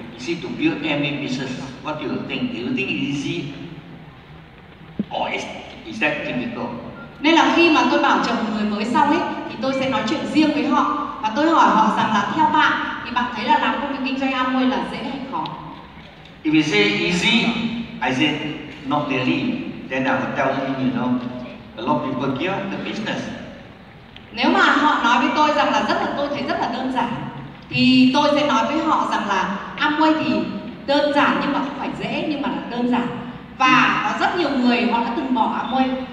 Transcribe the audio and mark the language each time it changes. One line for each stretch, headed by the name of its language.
English: Is it to build any business? What do you think? Do you think it is easy? Or is that difficult?
Vietnamese: Nên là khi mà tôi bảo chồng người mới xong ấy, thì tôi sẽ nói chuyện riêng với họ và tôi hỏi họ rằng là theo bạn thì bạn thấy là làm công việc kinh doanh Amway là dễ hay khó?
English: If you say easy, I say not really. Then I will tell him, you know, a lot of people give up the business.
Vietnamese: Nếu mà họ nói với tôi rằng là tôi thấy rất là đơn giản, thì tôi sẽ nói với họ rằng là Amway thì đơn giản nhưng mà không phải dễ, nhưng mà là đơn giản. Và có rất nhiều người họ đã từng bỏ Amway.